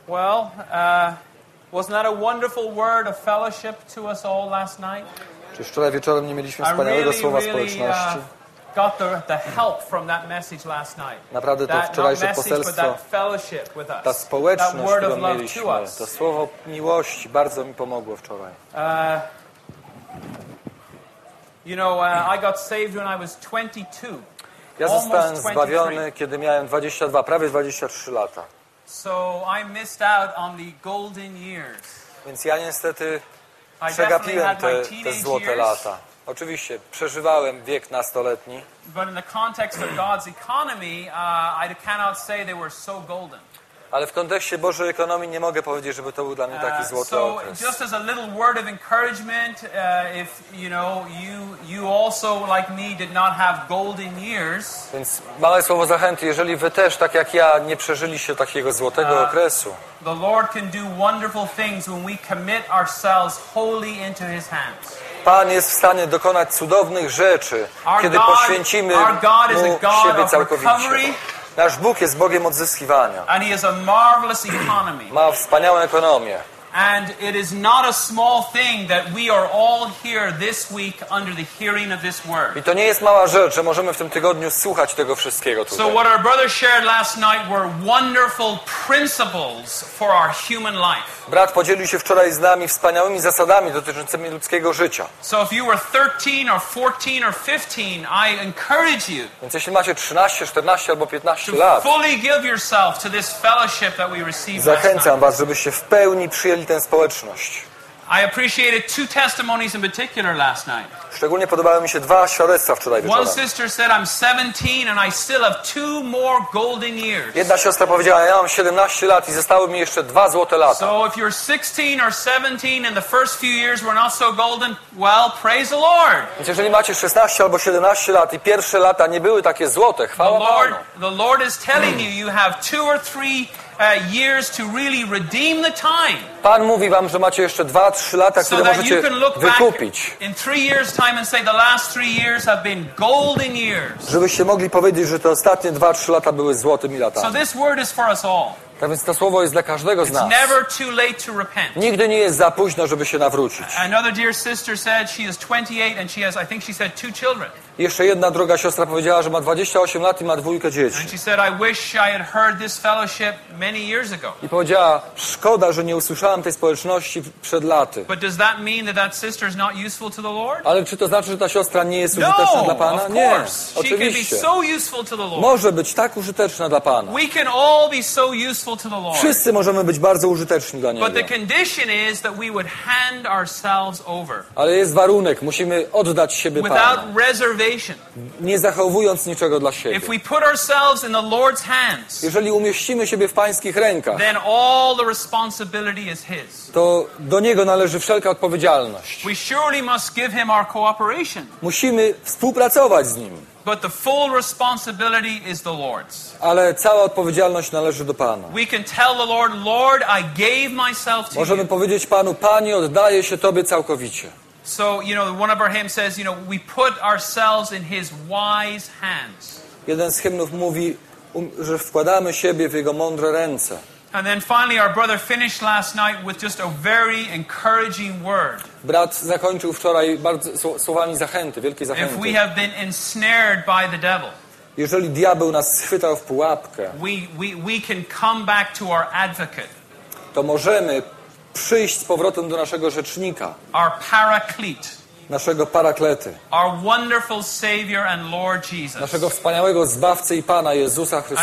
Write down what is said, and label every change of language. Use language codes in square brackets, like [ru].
[en] Well, wasn't that a wonderful word of fellowship to us all last night? [pl] Czy wczoraj wieczorem nie mieliśmy wspaniałego słowa społeczności? [en] Got the help from that message last night. [pl] Naprawdę to wczorajsze poselstwo, ta społeczność, którą mieliśmy, to słowo miłości bardzo mi pomogło wczoraj. [en] You know, I got saved when I was 22. [pl] Ja zostałem zbawiony, kiedy miałem 22, prawie 23 lata. [en] So I missed out on the golden years. [pl] Więc ja niestety przegapiłem te złote lata. Oczywiście, przeżywałem wiek nastoletni. [en] But in the context of God's economy, I cannot say they were so golden. [pl] Ale w kontekście Bożej ekonomii nie mogę powiedzieć, żeby to był dla mnie taki złoty okres. [en] So just as a little word of encouragement, if you know you also like me did not have golden years. [pl] Więc małe słowo zachęty, jeżeli wy też tak jak ja nie przeżyliście takiego złotego okresu. [en] The Lord can do wonderful things when we commit ourselves wholly into His hands. [pl] Pan jest w stanie dokonać cudownych rzeczy, kiedy poświęcimy Mu siebie całkowicie. Nasz Bóg jest Bogiem odzyskiwania. [en] And he has a marvelous economy. [pl] Ma wspaniałą ekonomię. [en] And it is not a small thing that we are all here this week under the hearing of this word. [pl] I to nie jest mała rzecz, że możemy w tym tygodniu słuchać tego wszystkiego tutaj. [en] So what our brother shared last night were wonderful principles for our human life. [pl] Brat podzielił się wczoraj z nami wspaniałymi zasadami dotyczącymi ludzkiego życia. [en] So if you were 13 or 14 or 15, I encourage you. [pl] Więc jeśli macie 13, 14 albo 15 lat. [en] Fully give yourself to this fellowship that we received. [pl] Zachęcam was, żebyście w pełni przyjęli tę społeczność. [en] I appreciated two testimonies in particular last night. [pl] Szczególnie podobały mi się dwa świadectwa wczoraj wieczorem. [en] One sister said, I'm 17 and I still have two more golden years. [pl] Jedna siostra powiedziała, ja mam 17 lat i zostały mi jeszcze dwa złote lata. [en] So if you're 16 or 17 and the first few years were not so golden, well, praise the Lord. [pl] Więc jeżeli macie 16 albo 17 lat i pierwsze lata nie były takie złote, chwała Panu. [en] The Lord is telling you, you have two or three years to really redeem the time. [pl] Pan mówi wam, że macie jeszcze 2-3 lata, które możecie wykupić. [en] In 3 years time and say the last 3 years have been golden years. [pl] Żebyście mogli powiedzieć, że te ostatnie 2-3 lata były złotymi latami. [en] So this word is for us all. [pl] Tak więc to słowo jest dla każdego z nas. [en] It's never too late to repent. [pl] Nigdy nie jest za późno, żeby się nawrócić. [en] Another dear sister said she is 28 and she has, I think she said, 2 children. [pl] Jeszcze jedna droga siostra powiedziała, że ma 28 lat i ma dwójkę dzieci. [en] And she said, I wish I had heard this fellowship many years ago. [pl] I powiedziała, szkoda, że nie usłyszałam tej społeczności przed laty. [en] But does that mean that that sister is not useful to the Lord? [pl] Ale czy to znaczy, że ta siostra nie jest użyteczna dla Pana? [en] Of [pl] nie, [en] course. [pl] Oczywiście. [en] She can be so useful to the Lord. [pl] Może być tak użyteczna dla Pana. [en] We can all be so useful to the Lord. [pl] Wszyscy możemy być bardzo użyteczni dla Niego. [en] But the condition is that we would hand ourselves over. [pl] Ale jest warunek, musimy oddać siebie [en] without [pl] Panu. [en] Reservation. [pl] Nie zachowując niczego dla siebie. [en] If we put ourselves in the Lord's hands, [pl] jeżeli umieścimy siebie w Pańskich rękach, [en] then all the responsibility is His. [pl] To do Niego należy wszelka odpowiedzialność. [en] We surely must give Him our cooperation. [pl] Musimy współpracować z Nim. [en] But the full responsibility is the Lord's. [pl] Ale cała odpowiedzialność należy do Pana. [en] We can tell the Lord, Lord, I gave myself to you. [pl] Możemy powiedzieć Panu, Panie, oddaję się Tobie całkowicie. [en] So, you know, one of our hymns says, you know, we put ourselves in His wise hands. [pl] Jeden z hymnów mówi, że wkładamy siebie w Jego mądre ręce. [en] And then finally our brother finished last night with just a very encouraging word. [pl] Brat zakończył wczoraj bardzo słowami zachęty, wielkiej zachęty. [en] If we have been ensnared by the devil, [pl] jeżeli diabeł nas schwytał w pułapkę, [en] we can come back to our advocate. [pl] To możemy przyjść z powrotem do naszego rzecznika. [en] Our paraclete. [pl] Naszego paraklety. [en] Our wonderful Savior and Lord Jesus. [pl] Naszego wspaniałego Zbawcy i Pana Jezusa Chrystusa.